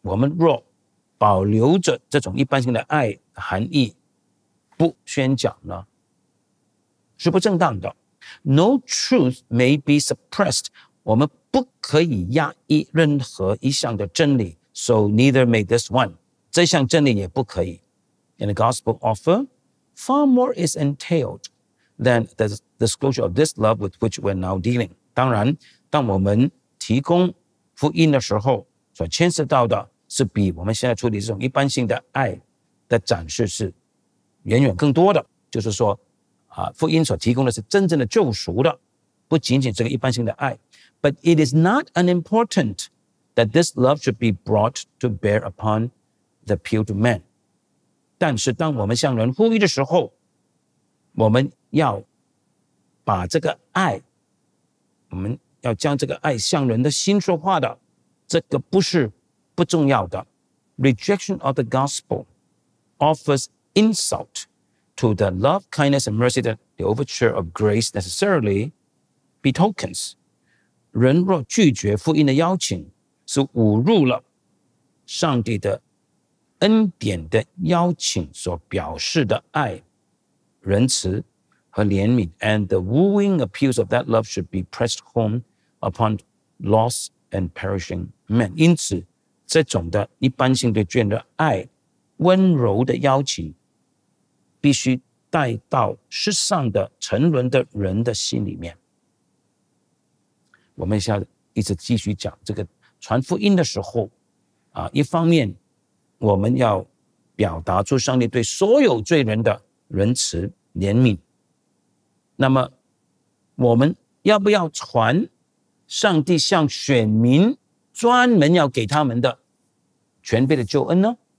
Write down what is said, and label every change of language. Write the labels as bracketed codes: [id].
[zh] 我们若保留着这种一般性的爱的含义不宣讲呢，是不正当的。 [en] No truth may be suppressed. [zh] 我们不可以压抑任何一项的真理。 [en] So neither may this one. [zh] 这项真理也不可以。 [en] In the gospel offer, far more is entailed than the disclosure of this love with which we're now dealing. [zh] 当然，当我们提供福音的时候，所牵涉到的是比我们现在处理这种一般性的爱的展示是远远更多的。就是说福音所提供的是真正的救赎的，不仅仅是个一般性的爱。 [en] But it is not unimportant that this love should be brought to bear upon the appeal to man. [zh] 但是当我们向人呼吁的时候，我们要把这个爱，我们要将这个爱向人的心说话的，这个不是不重要的。 [en] Rejection of the gospel offers insult. To the love, kindness, and mercy that the overture of grace necessarily betokens. [zh] 人若拒绝福音的邀请，是侮辱了上帝的恩典的邀请所表示的爱、仁慈和怜悯。 [en] And the wooing appeals of that love should be pressed home upon lost and perishing men. [zh] 因此，这种的一般性对罪人的爱、温柔的邀请必须带到世上的沉沦的人的心里面。我们现在一直继续讲这个传福音的时候一方面我们要表达出上帝对所有罪人的仁慈怜悯，那么我们要不要传上帝向选民专门要给他们的全备的救恩呢？